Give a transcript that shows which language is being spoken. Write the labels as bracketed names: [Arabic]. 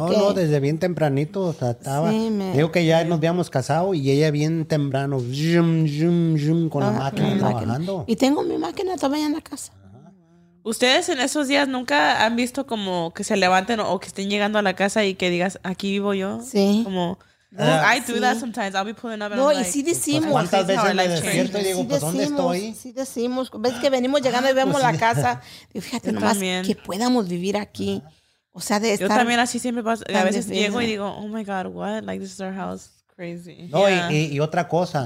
[Spanish] No, que... no, desde bien tempranito o sea, estaba. Sí, digo que ya nos habíamos casado y ella bien temprano, zoom, zoom, zoom, con la máquina trabajando. Y tengo mi máquina todavía en la casa. Ajá. ¿Ustedes en esos días nunca han visto como que se levanten o que estén llegando a la casa y que digas, aquí vivo yo? Sí. [English] Como, I do that sometimes, I'll be pulling up. [Spanish] No, [English] like, [Spanish] y sí decimos. ¿Cuántas veces me despierto y digo, sí pues, ¿dónde estoy? Sí decimos. Ves que venimos llegando y vemos pues, la casa. Y fíjate nomás también. Que podamos vivir aquí. O sea, de estar. Yo también así siempre paso. A veces difícil. Llego y digo, [English] oh my God, what? Like, this is our house. Crazy. [Spanish] No, yeah. Y otra cosa.